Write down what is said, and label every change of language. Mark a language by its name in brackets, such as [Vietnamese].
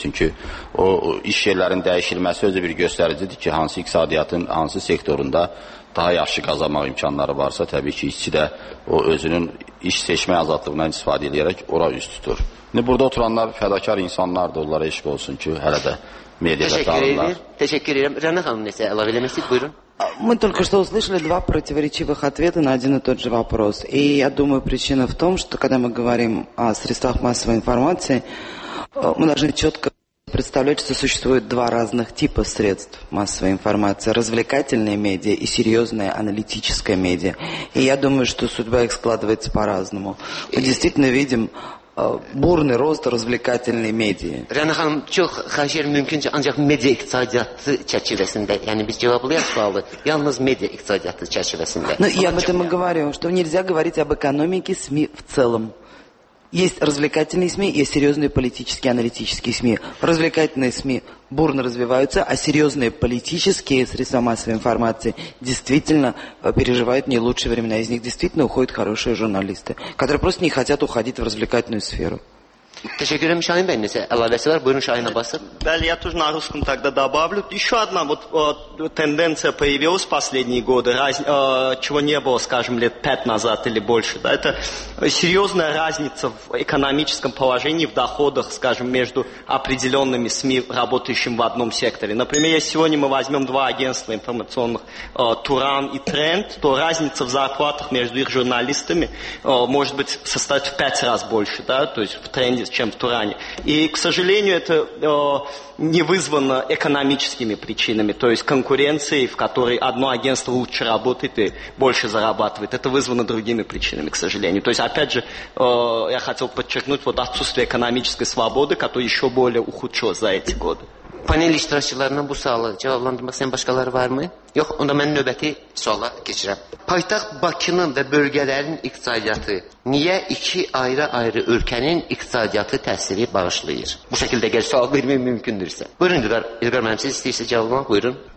[Azerbaijani] Çünki o iş yerlərinin dəyişilməsi özü bir göstəricidir ki, hansı iqtisadiyyatın hansı sektorunda daha yaxşı qazanmaq imkanları varsa, təbii ki, işçi də o özünün iş seçmə azadlığından istifadə edərək ora üz tutur. İndi burada oturanlar fədakar insanlardır, onlara eşq olsun ki, hələ də mediada qalırlar. Təşəkkür edirəm. Rəna xanım nəsə əlavə eləmək istəyir? Buyurun. [Russian] Мы только что услышали два противоречивых ответа на один и тот же вопрос. И я думаю, причина в том, что когда мы говорим о средствах массовой информации, мы должны четко представлять, что существует два разных типа средств массовой информации. Развлекательные медиа и серьезная аналитическая медиа. И я думаю, что судьба их складывается по-разному. Мы действительно видим бурный рост развлекательной медиа. [Azerbaijani] Рана ханым, çox xəşər mümkünsə ancaq media iqtisadiyyatı çərçivəsində, yəni biz cavablayaq sualı, yalnız media iqtisadiyyatı çərçivəsində. [Russian] Ну, я об этом и говорю, что нельзя говорить об экономике СМИ в целом. Есть развлекательные СМИ, есть серьёзные политические, аналитические СМИ. Развлекательные СМИ бурно развиваются, а серьёзные политические средства массовой информации действительно переживают не лучшие времена. Из них действительно уходят хорошие журналисты, которые просто не хотят уходить в развлекательную сферу. [Azerbaijani] Təşəkkür edirəm Şahin bəy, nəsə əlavəsi var? Buyurun Şahin Abbası. Bəli, [Russian] я тоже на русском тогда добавлю. Ещё одна вот тенденция появилась последние годы, чего не было, скажем, лет 5 назад или больше, да? Это серьёзная разница в экономическом положении, в доходах, скажем, между определёнными СМИ, работающими в одном секторе. Например, если сегодня мы возьмём два агентства информационных, Туран и Тренд, то разница в зарплатах между их журналистами может быть составить в 5 раз больше, да? То есть в Тренде, чем в Туране. И, к сожалению, это не вызвано экономическими причинами, то есть конкуренцией, в которой одно агентство лучше работает и больше зарабатывает. Это вызвано другими причинами, к сожалению. То есть, опять же, я хотел подчеркнуть вот отсутствие экономической свободы, которое еще более ухудшилось за эти годы. [Azerbaijani] Panel iştirakçılarından bu sualı cavablandırmaq istəyən başqaları varmı? Yox, onda mən növbəti suala keçirəm. Paytaxt Bakının və bölgələrin iqtisadiyyatı niyə iki ayrı-ayrı ölkənin iqtisadiyyatı təsiri bağışlayır? Bu şəkildə gəl sual vermək mümkündürsə. Buyurun, İlqar mənim siz istəyirsə cavablamaq, buyurun.